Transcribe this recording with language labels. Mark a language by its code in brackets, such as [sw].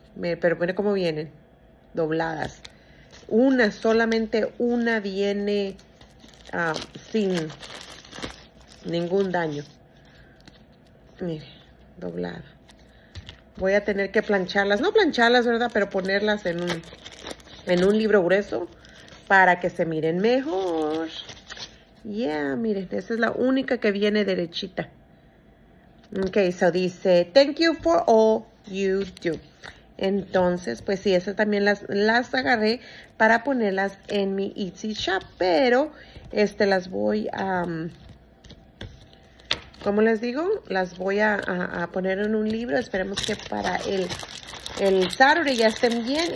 [es] Pero miren cómo vienen. Dobladas. Una, solamente una viene sin ningún daño. Mire, doblada. Voy a tener que plancharlas. No plancharlas, ¿verdad? Pero ponerlas en un libro grueso para que se miren mejor. Yeah, miren, esa es la única que viene derechita. [en] Okay, so dice, thank you for all you do. [es] Entonces, pues sí, esas también las agarré para ponerlas en mi Etsy shop, pero las voy a, ¿cómo les digo? Las voy a poner en un libro. Esperemos que para el Saturday ya estén bien.